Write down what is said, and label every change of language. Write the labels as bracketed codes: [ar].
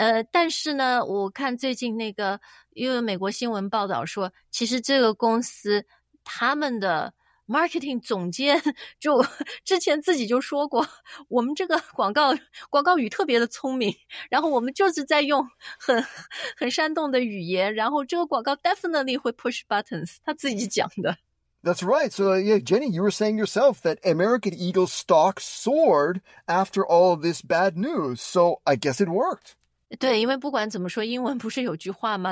[zh] 但是呢，我看最近那个，因为美国新闻报道说，其实这个公司他们的 marketing 总监就之前自己就说过，我们这个广告语特别的聪明，然后我们就是在用很煽动的语言，然后这个广告 definitely 会 [en] push buttons， [zh] 他自己讲的。 [en] That's right. So, yeah, Jenny, you were saying yourself that American Eagle stock soared after all of this bad news. So I guess it worked. [zh] 对，因为不管怎么说，英文不是有句话吗？